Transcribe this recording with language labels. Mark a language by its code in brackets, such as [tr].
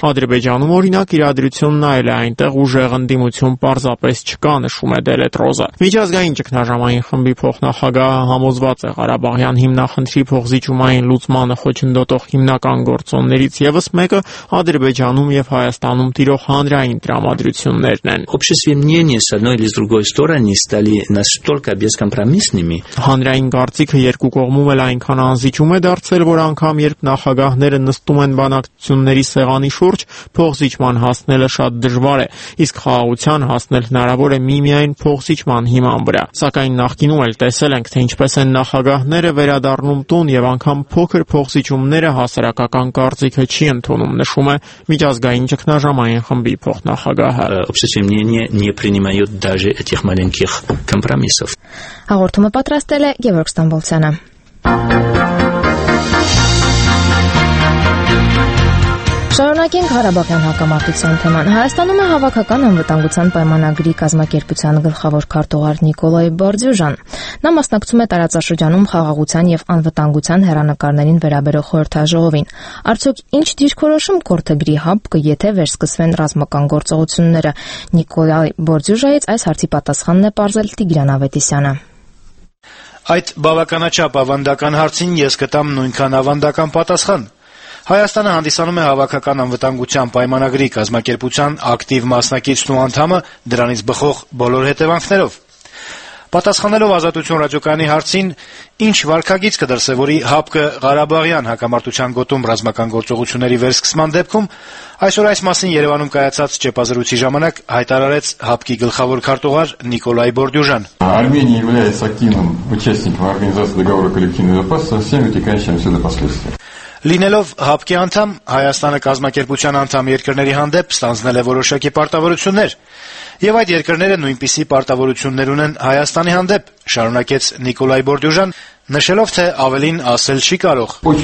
[hy] Ադրբեջանում, օրինակ, իրադրությունն այլ է, այնտեղ ուժեղ ընդդիմություն պարզապես չկա, նշում է Դելետրոզը։ Միջազգային ճգնաժամային խմբի փոխնախագահ համոզված է Ղարաբաղյան հիմնախնդրի փողզիջման լուծմանը խոչընդոտող հիմնական գործոններից եւս մեկը Ադրբեջանում եւ Հայաստանում տիրող հանրային տրամադրություններն են։ [ru] Общество мнения с одной или с другой стороны стали настолько бескомпромиссными, [hy] հանրային կարծիքը երկու կողմում էլ այնքան անզիջում է դարձել, որ անգամ երբ նախագահները նստում են բանակցությունների սեղանի շուրջ, փողզիջման հասնելը շատ դժվար է, իսկ խաղաղության հասնել հնարավոր է միմիայն փողզիջման հիման վրա։ Սակայն նախկինում էլ տեսել ենք, թե ինչպես են նախագահները վերադառնում տուն եւ անգամ փոքր փողզիջումները հասարակական կարծիքը չի ընդունում, նշում է միջազգային ճգնաժամային խմբի փոխնախագահը։ [ru] Общество мнения не принимает даже этих маленьких компромиссов. [hy] Հաղորդումը պատրաստել է Գևորգ Ստամբոլցյանը։ Շարունակենք Ղարաբաղյան հակամարտության թեման։ Հայաստանում է հավաքական անվտանգության պայմանագրի կազմակերպության գլխավոր քարտուղար Նիկոլայ Բարդյուժան։ Նա մասնակցում է տարածաշրջանում խաղաղության և անվտանգության հերանակարներին վերաբերող խորհրդաժողովին։ Արդյոք ինչ դիրքորոշում կորդեգրի ՀԱՊԿ-ը, եթե վերսկսվեն ռազմական գործողությունները։ Նիկոլայ Բարդյուժայից այս հարցի պատասխանն է պարզել Տիգրան Ավետիսյանը։ Այդ բավականաչափ ավանդական հարցին ես կտամ նույնքան ավանդական պատասխան։ Հայաստանը հանդիսանում է հավաքական անվտանգության պայմանագրի կազմակերպության ակտիվ մասնակիցն ու անդամը, դրանից բխող բոլոր հետևանքներով։ Պատասխանելով Ազատություն ռադիոկանալի հարցին, ինչ վարքագիծ կդրսևորի ՀԱՊԿ-ը Ղարաբաղյան հակամարտության գոտում ռազմական գործողությունների վերսկսման դեպքում, այսօր այս մասին Երևանում կայացած ճեպազրույցի ժամանակ հայտարարեց ՀԱՊԿ-ի գլխավոր քարտուղար Նիկոլայ Բորդյուժան։ [ru] Армения является активным участником организации договора коллективной безопасности со всеми вытекающими последствиями. [hy] Լինելով ՀԱՊԿ-ի անդամ, Հայաստանը կազմակերպության անդամ երկրների հանդեպ ստանձնել է որոշակի պարտավորություններ, եւ այդ երկրները նույնպիսի պարտավորություններ ունեն Հայաստանի հանդեպ, շարունակեց Նիկոլայ Բորդյուժան, նշելով, թե ավելին ասել չի կարող։